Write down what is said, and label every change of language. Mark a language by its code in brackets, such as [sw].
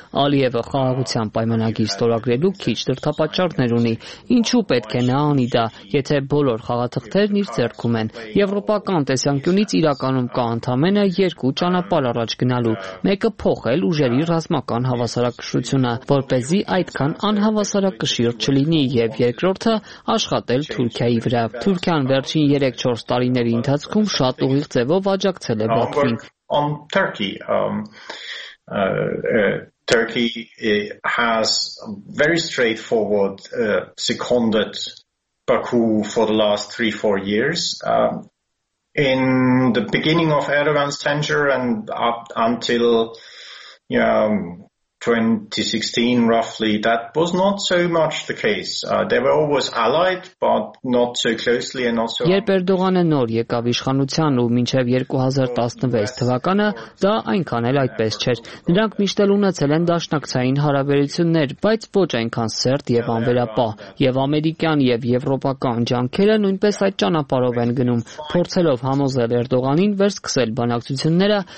[hy] Ալիևը խաղաղության պայմանագիր ստորագրելու քիչ դրդապատճառներ ունի։ Ինչու պետք է նա անի դա, եթե բոլոր խաղաթղթերն իր ձեռքում են։ Եվրոպական տեսանկյունից իրականում կա ընդամենը երկու ճանապարհ առաջ գնալու, մեկը փոխել ուժերի ռազմական հավասարակշռությունը, որպեսզի այդքան անհավասարակշիռ չլինի, և երկրորդը աշխատել Թուրքիայի վրա։ Թուրքիան վերջին 3-4 տարիների ընթացքում շատ ուղիղ ձևով աջակցել է Բաքվին։ [en] Turkey has very straightforward seconded Baku for the last 3-4 years. In the beginning of Erdogan's tenure and up until 2016 roughly, that was not so much the case. They were always allied, but not so closely and not so... [hy] Երբ Էրդողանը նոր եկավ իշխանության ու մինչև 2016 թվականը, դա այնքան էլ այդպես չէր։ Նրանք միշտ ունեցել են դաշնակցային հարաբերություններ, բայց ոչ այնքան սերտ և անվերապահ, և ամերիկյան և եվրոպական ջանքերը նույնպես այդ ճանապարհով են գնում, փորձելով համոզել Էրդողանին վերսկսել բանակցությունները